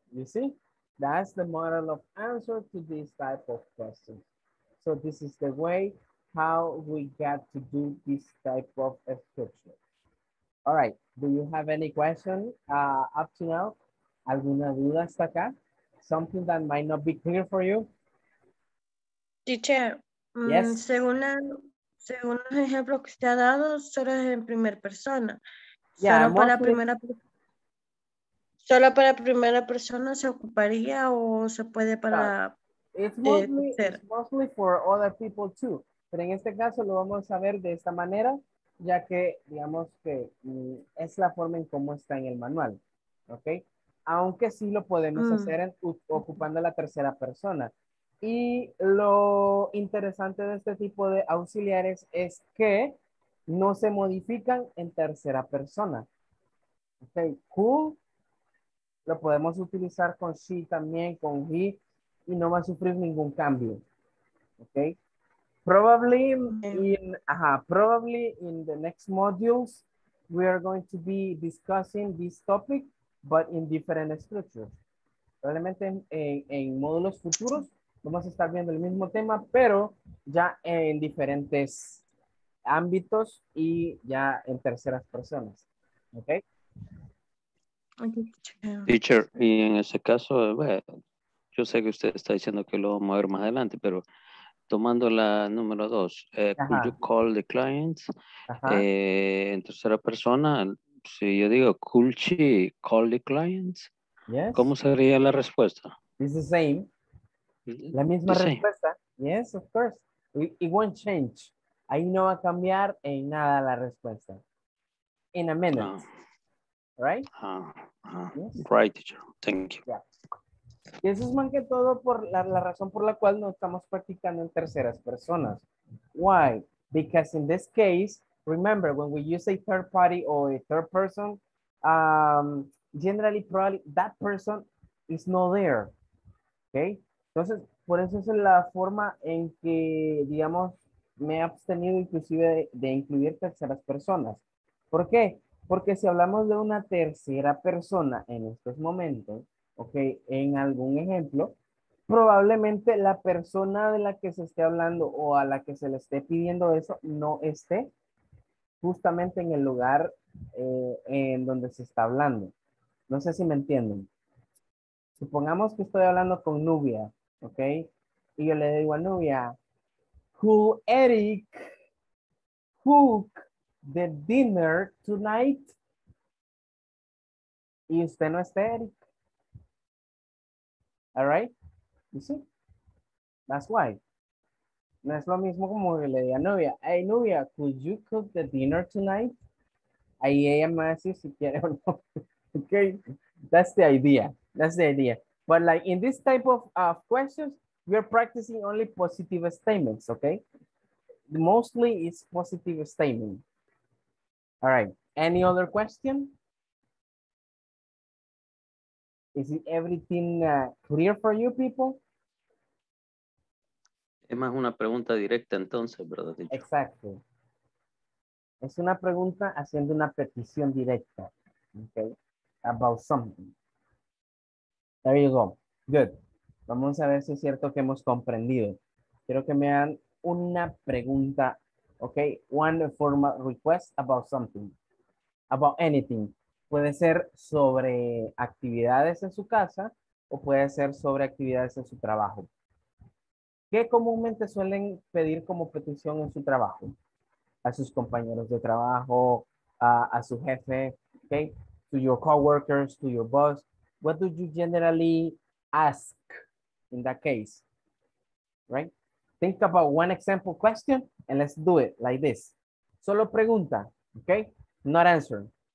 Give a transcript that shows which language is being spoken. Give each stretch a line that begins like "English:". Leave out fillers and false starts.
English: You see, that's the model of answer to this type of question. So this is the way how we get to do this type of structure. All right, do you have any question up to now?
Spanish: ¿Alguna duda hasta acá?
English: Something that might not be clear for you? Teacher, yes?
Spanish: según los ejemplos que usted ha dado, solo es en primera persona.
English: Yeah,
Spanish: solo, para primera, solo para primera persona se ocuparía o se puede para...
English: It's mostly for other people too.
Spanish: Pero en este caso lo vamos a ver de esta manera, ya que digamos que es la forma en cómo está en el manual, ¿ok? Aunque sí lo podemos hacer ocupando la tercera persona. Y lo interesante de este tipo de auxiliares es que no se modifican en tercera persona. Ok, cool. Lo podemos utilizar con she también, con he, y no va a sufrir ningún cambio.
English: Ok. Probably in the next modules, we are going to be discussing this topic, but in different structures.
Spanish: Probablemente en módulos futuros vamos a estar viendo el mismo tema, pero ya en diferentes ámbitos y ya en terceras personas. ¿Ok? Teacher, y en ese caso, bueno, yo sé que usted está diciendo que lo vamos a ver más adelante, pero tomando la número dos,
English: could you call the clients?
Spanish: En tercera persona, si yo digo,
English: could she call the clients? Yes.
Spanish: ¿Cómo sería la respuesta?
English: It's the same.
Spanish: La misma respuesta.
English: Yes, of course. It won't change.
Spanish: Ahí no va a cambiar en nada la respuesta.
English: In a minute. Right? Yes. Right, teacher. Thank you. Yeah.
Spanish: Y eso es más que todo por la razón por la cual no estamos practicando en terceras personas.
English: Why? Because in this case, remember, when we use a third party or a third person, generally, probably, that person is not there. Okay?
Spanish: Entonces, por eso es la forma en que, digamos, me he abstenido inclusive de incluir terceras personas. ¿Por qué? Porque si hablamos de una tercera persona en estos momentos, ok, en algún ejemplo, probablemente la persona de la que se esté hablando o a la que se le esté pidiendo eso no esté justamente en el lugar en donde se está hablando. No sé si me entienden. Supongamos que estoy hablando con Nubia, ok, y yo le digo a Nubia,
English: could Eric cook the dinner tonight?
Spanish: Y usted no esté, Eric.
English: All right, you see, that's why.
Spanish: No es lo mismo como que le diga a Nubia,
English: hey Nubia, could you cook the dinner tonight?
Spanish: Ahí ella me va a decir si quiere o no.
English: Okay, that's the idea, that's the idea. But like in this type of questions, we are practicing only positive statements, okay? Mostly it's positive statement. All right, any other question? Is it everything clear for you people?
Spanish: Es más una pregunta directa entonces, ¿verdad? Exacto. Es una pregunta haciendo una petición directa. Okay.
English: About something. There you go. Good.
Spanish: Vamos a ver si es cierto que hemos comprendido. Quiero que me hagan una pregunta. Okay.
English: One formal request about something. About anything.
Spanish: Puede ser sobre actividades en su casa o puede ser sobre actividades en su trabajo. ¿Qué comúnmente suelen pedir como petición en su trabajo? A sus compañeros de trabajo, a su jefe,
English: okay? To your coworkers, to your boss. What do you generally ask in that case, right? Think about one example question and let's do it like this.
Spanish: Solo pregunta, okay?
English: Not answer.